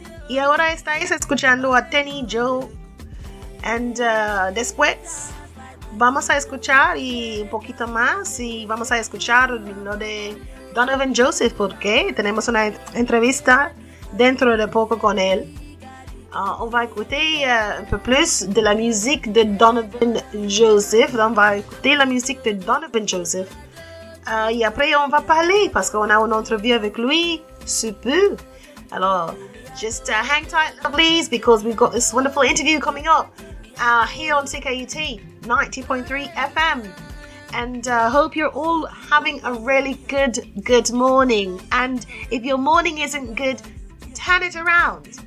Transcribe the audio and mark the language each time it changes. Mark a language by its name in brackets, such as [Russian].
[Spanish] Y ahora estáis escuchando a Tenny Joe. And después vamos a escuchar y un poquito más. Y vamos a escuchar lo de Donovan Joseph, porque tenemos una entrevista dentro de poco con él. [French] On va écouter un peu plus de la musique de Donovan Joseph. On va écouter la musique de Donovan Joseph. Et après, on va parler parce qu'on a une entrevue avec lui. Super. Alors, [English] just hang tight, lovelies, because we've got this wonderful interview coming up here on CKUT 90.3 FM. And hope you're all having a really good morning. And if your morning isn't good, turn it around.